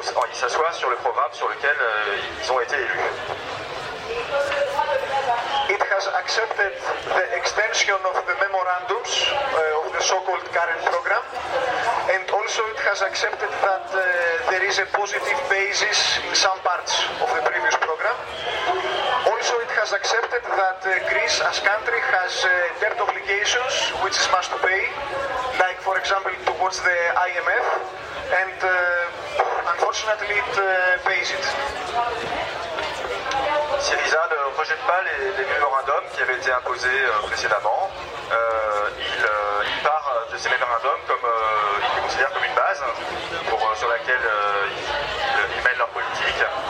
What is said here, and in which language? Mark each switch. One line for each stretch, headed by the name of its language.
French: Il s'assoit sur le programme sur lequel ils ont été élus.
English: It has accepted the extension of the memorandums of the so-called current program, and also it has accepted that there is a positive basis in some parts of the previous program. Also, it has accepted that Greece as country has debt obligations which it must pay, like for example towards the IMF, and unfortunately, it pays it.
French: Syriza ne rejette pas les mémorandums qui avaient été imposés précédemment. Il part de ces mémorandums comme il les considère comme une base pour sur laquelle ils mènent leur politique.